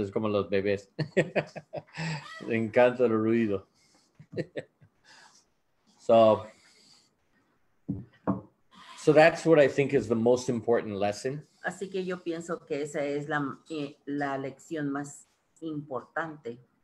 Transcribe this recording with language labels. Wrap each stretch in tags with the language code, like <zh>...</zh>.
<es>Es como los bebés. Le encanta el ruido.</es> <en>So that's what I think is the most important lesson.</en> <es>Así que yo pienso que esa es la lección más importante.</es>